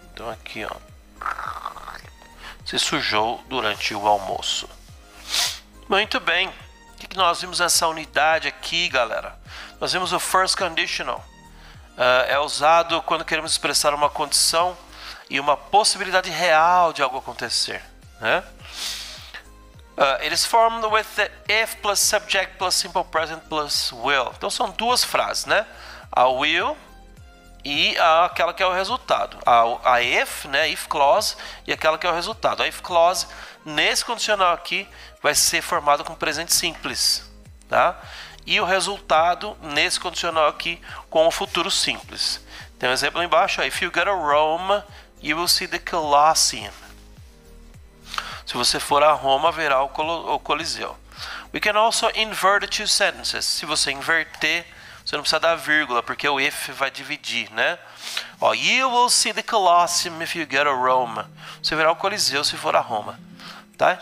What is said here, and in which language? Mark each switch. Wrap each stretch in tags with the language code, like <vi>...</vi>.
<pt>Então aqui, ó. Se sujou durante o almoço. Muito bem. O que nós vimos nessa unidade aqui, galera? Nós vimos o first conditional. É usado quando queremos expressar uma condição e uma possibilidade real de algo acontecer. Né?</pt> <en>It is formed with the if plus subject plus simple present plus will.</en> <pt>Então são duas frases, né? A will e aquela que é o resultado. A if, né? If clause e aquela que é o resultado. A if clause, nesse condicional aqui, vai ser formado com presente simples. Tá? E o resultado nesse condicional aqui com o futuro simples. Tem um exemplo embaixo.</pt> <en>If you go to Rome, you will see the Colosseum.</en> <pt>Se você for a Roma, verá o Coliseu.</pt> <en>We can also invert the two sentences.</en> <pt>Se você inverter, você não precisa dar vírgula, porque o if vai dividir, né?</pt> <en>Ó, you will see the Colosseum if you go to Rome.</en> <pt>Você verá o Coliseu se for a Roma. Tá?</pt>